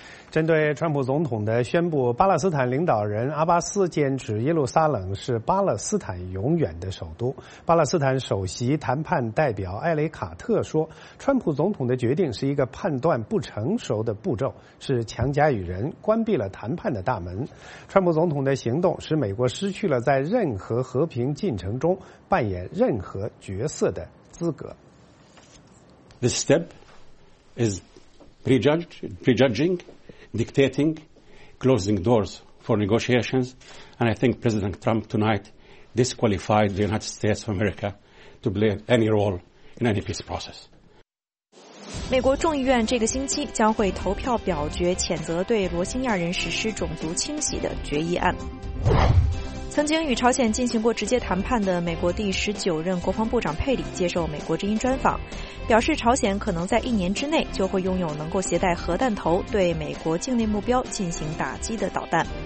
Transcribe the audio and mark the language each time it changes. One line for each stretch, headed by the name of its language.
Chinese: 针对川普总统的宣布巴勒斯坦领导人阿巴斯坚持耶路撒冷是巴勒斯坦永远的首都，巴勒斯坦首席谈判代表艾雷卡特说，川普总统的决定是一个判断不成熟的步骤，是强加于人，关闭了谈判的大门。川普总统的行动使美国失去了在任何和平进程中扮演任何角色的资格。
English: This step is prejudging. Dictating, closing doors for negotiations, and I think President Trump tonight disqualified the United States of America to play any role in any peace process.
Chinese: 美国众议院这个星期将会投票表决谴责对罗兴亚人实施种族清洗的决议案。曾经与朝鲜进行过直接谈判的美国第19任国防部长佩里接受美国之音专访，表示朝鲜可能在一年之内就会拥有能够携带核弹头对美国境内目标进行打击的导弹。